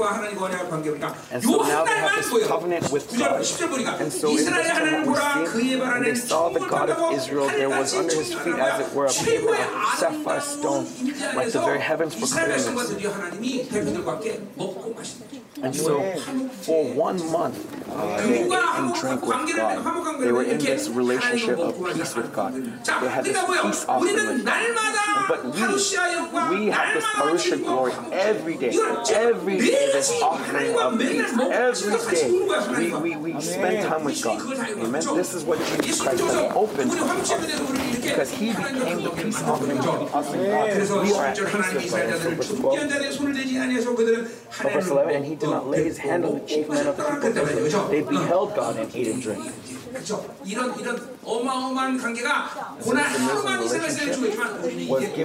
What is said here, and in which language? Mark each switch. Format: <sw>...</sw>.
<ko>그래서 이제 드디어 그들과 하나님과 언약 관계가 있다. 요 하나님 보여. 9장 10절 보니까 이스라엘 하나님 보라 그의 발아래</ko> <en>saw the God of Israel there was under his feet as it were a pillar of sapphire stone like the very heavens were clear.</en> <ko>이스라엘 백성과 드디어 하나님이 백성들과 함께 먹고 마시는</ko> <en>And so, for 1 month, they ate and drank with God. They were in this relationship of peace with God. They had this peace offering. But we have this parousia glory every day. Every day, this offering of peace. Every day, we spend time with God. Amen. This is what Jesus Christ has opened to us. Because he became the peace offering of us and God. We are at peace with God. So verse 12. But verse 11, and he did not lay his hand on the chief men of the people. They beheld God and ate and drank.</en> <ko>이런 어마어마한 관계가 고난 하루만 이스라엘에 주어졌지만 우리는 이게</ko>